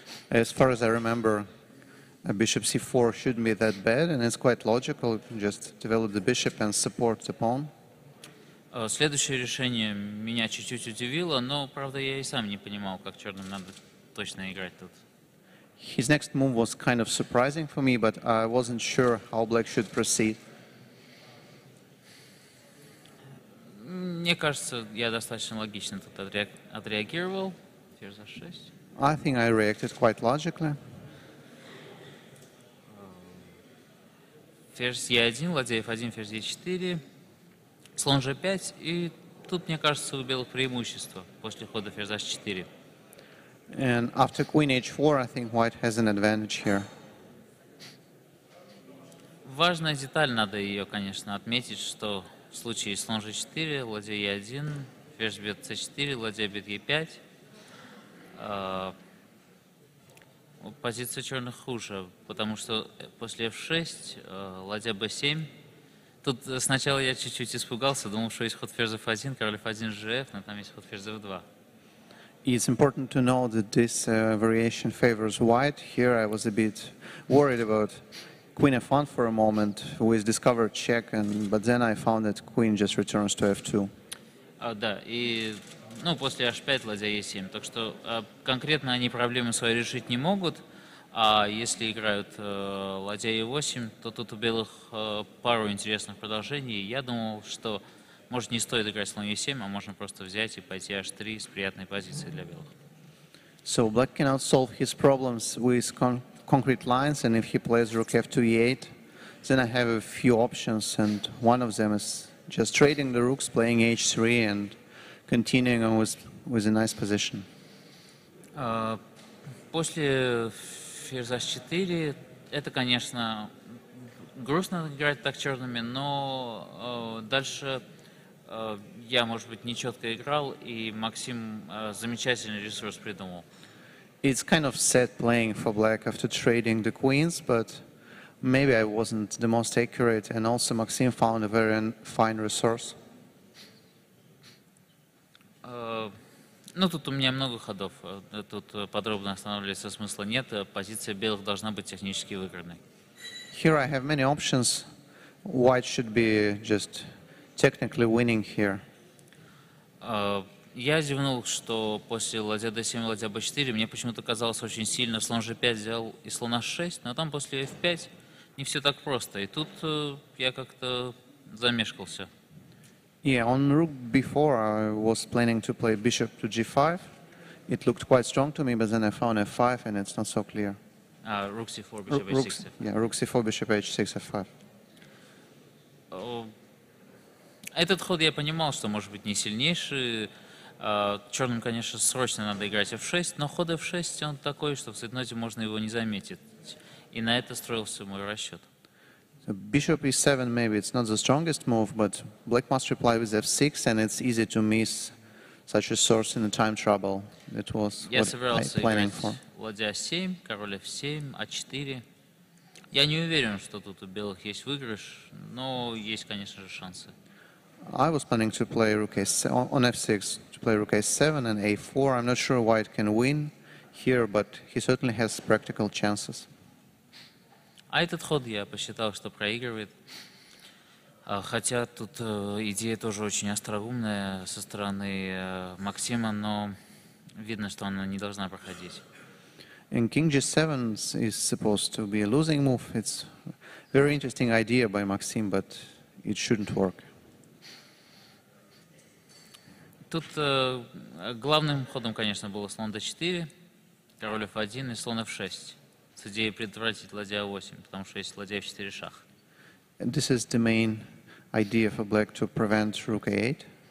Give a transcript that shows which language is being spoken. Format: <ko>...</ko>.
<en>As far as I remember, a bishop c4 shouldn't be that bad, and it's quite logical. You can just develop the bishop and support the pawn.</en> <ru>Следующее решение меня чуть-чуть удивило, но правда я и сам не понимал, как черным надо точно играть тут.</ru> <en>His next move was kind of surprising for me, but I wasn't sure how black should proceed.</en> <ru>Мне кажется, я достаточно логично тут отреагировал. Ферзь h6.</ru> <en>I think I reacted quite logically.</en> <ru>Ферзь e1, ладья f1, ферзь e4, слон g5, и тут, мне кажется, у белых преимущество после хода ферзь h4.</ru> <en>And after queen h4, I think white has an advantage here.</en> <ru>Важная деталь, надо ее, конечно, отметить, что в случае слон g4, ладья e1, ферзь бьет c4, ладья бьет e5, позиция черных хуже, потому что после f6, ладья b7. Тут сначала я чуть-чуть испугался, думал, что есть ход ферзь f1, король f1, gf, но там есть ход ферзь f2.</ru> <en>It's important to know that this variation favors white. Here I was a bit worried about queen f1 for a moment, with discovered check, but then I found that queen just returns to f2.</en> <ru>Да, и, ну, после h5 ладья e7, так что конкретно они проблемы свои решить не могут. А если играют ладья e8, то тут у белых пару интересных продолжений. Я думал, что может не стоит играть слон e7, а можно просто взять и пойти h3 с приятной позицией для белых.</ru> <en>So black cannot solve his problems with concrete lines, and if he plays rook f2 e8, then I have a few options, and one of them is just trading the rooks, playing h3 and continuing on with a nice position.</en> <ru>После ферзь h4, это, конечно, грустно играть так черными, но дальше я, может быть, нечетко играл, и Максим замечательный ресурс придумал.</ru> <en>It's kind of sad playing for black after trading the queens, but maybe I wasn't the most accurate, and also Максим found a very fine resource.</en> <ru>Ну, тут у меня много ходов. Тут подробно останавливаться смысла нет. Позиция белых должна быть технически выигранной.</ru> <en>Here I have many options. White should be just technically winning here.</en> <ru>Я зевнул, что после ладья d7, ладья b4, мне почему-то казалось очень сильно, слон g5 взял и слон h6, но там после f5 не все так просто. И тут я как-то замешкался.</ru> <en>Yeah, on rook b4 I was planning to play bishop to g5. It looked quite strong to me, but then I found f5 and it's not so clear. Rook c4, bishop h6. Yeah, rook c4, bishop h6, f5.</en> <ru>Этот ход я понимал, что может быть не сильнейший. Черным, конечно, срочно надо играть f6, но ход f6, он такой, что в цветноте можно его не заметить. И на это строился мой расчет.</ru> <en>So bishop e7, maybe it's not the strongest move, but black must reply with f6, and it's easy to miss such a source in a time trouble. It was</en> <ru>я собирался играть ладья 7, король f7, a4. Я не уверен, что тут у белых есть выигрыш, но есть, конечно же, шансы.</ru> <en>I was planning to play rook a7, on f6, to play rook a7 and a4. I'm not sure white can win here, but he certainly has practical chances.</en> <ru>А этот ход я посчитал, что проигрывает. Хотя тут идея тоже очень остроумная со стороны Максима, но видно, что она не должна проходить.</ru> <en>And king g7 is supposed to be a losing move. It's very interesting idea by Maxim, but it shouldn't work.</en> <ru>Тут главным ходом, конечно, было слон d4, король f1 и слон f6. С идеей предотвратить ладья a8, потому что есть ладья f4 шах.</ru> <en>This is the main idea for black to prevent rook a8.</en>